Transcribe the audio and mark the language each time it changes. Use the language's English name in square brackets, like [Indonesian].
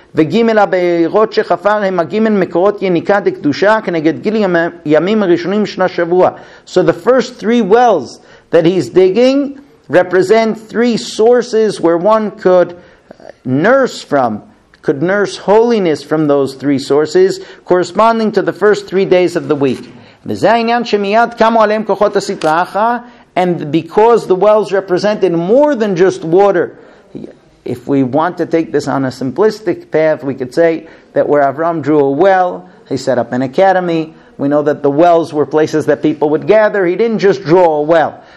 [Hebrew] וגימל הבארות שחפר הם הגימל מקורות יניקה דקדושה כנגד גיל ימים הראשונים שנה שבוע. [English] So the first three wells that he's digging represent three sources where one could nurse from, could nurse holiness from those three sources corresponding to the first 3 days of the week. [Hebrew] וזה העניין שמיד קמו עליהם כוחות הסתרה אחר. [English] And because the wells represented more than just water, if we want to take this on a simplistic path, we could say that where Avram drew a well, he set up an academy. We know that the wells were places that people would gather. He didn't just draw a well.